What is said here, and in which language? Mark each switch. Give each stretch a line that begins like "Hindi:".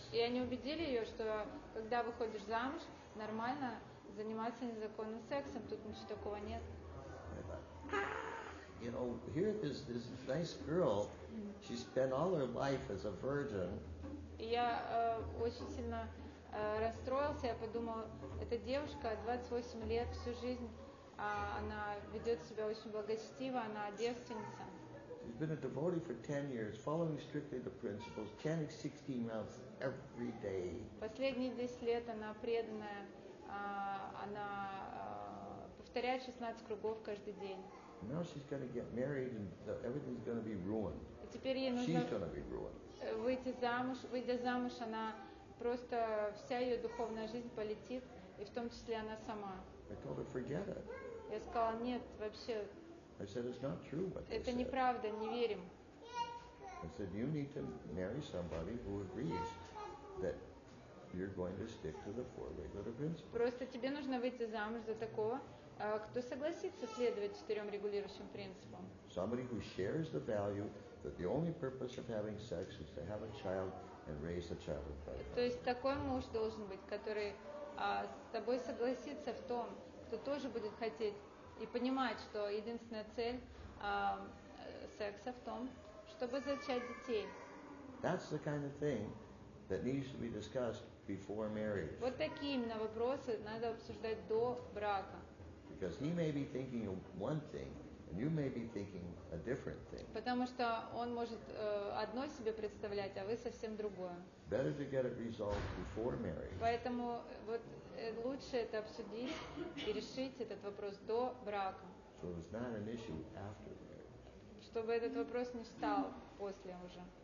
Russian: И они убедили ее, что когда выходишь замуж, нормально заниматься незаконным сексом, тут ничего такого нет.
English: You know, here this nice girl, she spent all her life as a virgin.
Russian: Я очень сильно расстроился. Я подумал, эта девушка 28 лет всю жизнь, она ведет себя очень благочестиво, она девственница.
English: She's been a devotee for 10 years, following strictly the principles, chanting 16 rounds every day.
Russian: Последние 10 лет она преданная, она повторяет 16 кругов каждый день.
English: Now she's going to get married and everything's going to be ruined.
Russian: Теперь ей нужно
English: she's going to be ruined.
Russian: Выйти замуж. Выйдя замуж, она просто вся ее духовная жизнь полетит, и в том числе она сама.
English: I told her, forget it.
Russian: Я сказала, нет, вообще.
English: I said, it's not true, but
Russian: это неправда, не верим.
English: I said, you need to marry somebody who agrees that you're going to stick to the four regular principles.
Russian: Просто тебе нужно выйти замуж за такого, кто согласится следовать четырем регулирующим принципам?
English: Somebody who shares the value that the only purpose of having sex is to have a child and raise a child in private.
Russian: То есть такой муж должен быть, который с тобой согласится в том, кто тоже будет хотеть и понимать, что единственная цель секса в том, чтобы зачать детей.
English: That's the kind of thing that needs to be discussed before marriage.
Russian: Вот такие именно вопросы надо обсуждать до брака.
English: Because he may be thinking one thing, and you may be thinking a different thing.
Russian: Потому что он может одно себе представлять, а вы совсем другое.
English: Better to get it resolved before marriage.
Russian: Поэтому вот лучше это обсудить и решить этот вопрос до брака.
English: So it's not an issue after marriage.
Russian: Чтобы этот вопрос не стал после уже.